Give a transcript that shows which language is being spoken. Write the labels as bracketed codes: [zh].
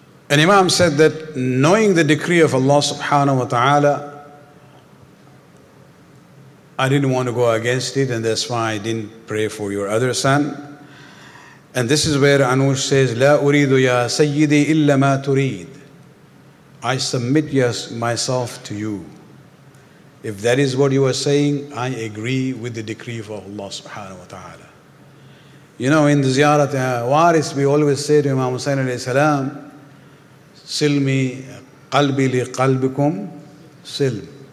[en] An Imam said that knowing the decree of Allah subhanahu wa ta'ala, I didn't want to go against it, and that's why I didn't pray for your other son. And this is where Anush says, [ar] لا أريد يا سيدي إلا ما تريد. [en] I submit myself to you. If that is what you are saying, I agree with the decree of Allah subhanahu wa ta'ala. You know, in the ziyarat waris, we always say to Imam Hussain alayhi salam, [ar] Silmi qalbi li qalbikum silm.